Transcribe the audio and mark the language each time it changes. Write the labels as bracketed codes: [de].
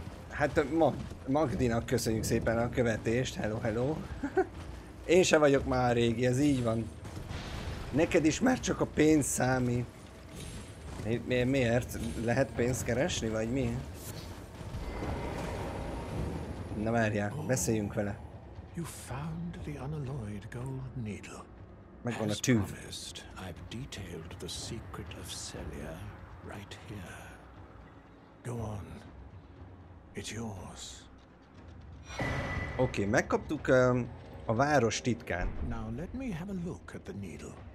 [hu] Hát Magdinak köszönjük szépen a követést, hello. Én se vagyok már régi, ez így van. Neked is már csak a pénz számít. Miért? Lehet pénzt keresni, vagy mi? Na várjál, beszéljünk vele. [en] You found the unalloyed gold needle. [hu] Megvan a tűv. [en] I've detailed the secret of Celia right here. Go on. It's yours. [hu] Oké, megkaptuk a város titkán. [en] Now let me have a look at the needle.